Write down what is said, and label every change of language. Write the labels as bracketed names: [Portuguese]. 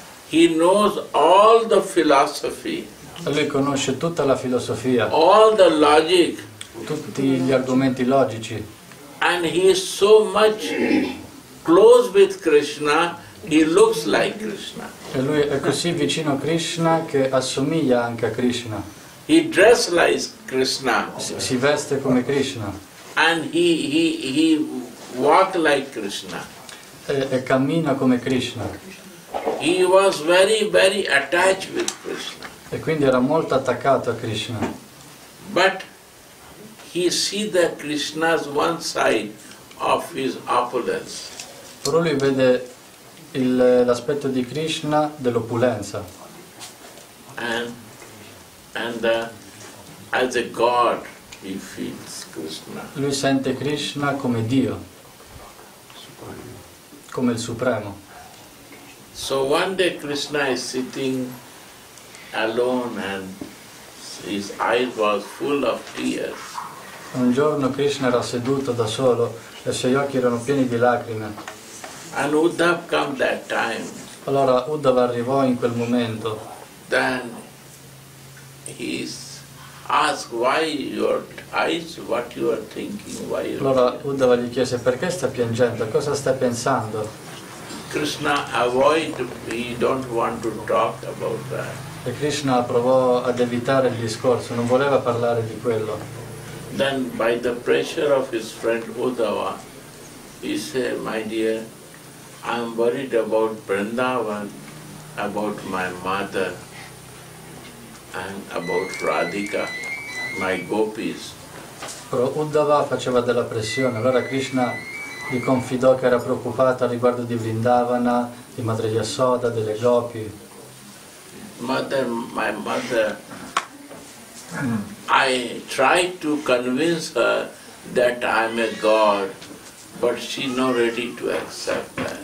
[English] He knows all the philosophy. [Italian] Lui conosce tutta la filosofia. [English] All the logic. [Italian] Tutti gli argomenti logici. [English] And he is so much close with Krishna, he looks like Krishna. [Italian] E lui è così vicino a Krishna che assomiglia anche a Krishna. [English] He dress like Krishna. [Italian] Si veste come Krishna. [English] And he walk like Krishna. [Italian] e cammina come Krishna. [English] He was very, very attached with Krishna. [Italian] E quindi era molto attaccato a Krishna. [English] But he see that Krishna's one side of his opulence. [Italian] Però lui vede il, l'aspetto di Krishna dell'opulenza. [English] And as a god he feels Krishna. [Italian] Lui sente Krishna come Dio, come il supremo. [English] So one day Krishna is sitting alone and his eyes was full of tears. [Italian] Un giorno Krishna era seduto da solo e i suoi occhi erano pieni di lacrime. [English] And Uddhav came that time. [Italian] Allora Uddhav arrivò in quel momento. [English] Then he asked, "Why your eyes? What you are thinking? Why?" [Italian] Allora Uddhav gli chiese: "Perché sta piangendo? Cosa sta pensando?" [English] Krishna avoid. He don't want to talk about that. [Italian] E Krishna provò ad evitare il discorso, non voleva parlare di quello. [English] Then by the pressure of his friend Uddhava, he said, "My dear, I'm worried about Vrindavan, about my mother, and about Radhika, my gopis." [Italian] Però Uddhava faceva della pressione, allora Krishna gli confidò che era preoccupata riguardo di Vrindavana, di Madre Yasoda, delle gopi. [English] Mother, my mother, I tried to convince her that I'm a god, but she not ready to accept that.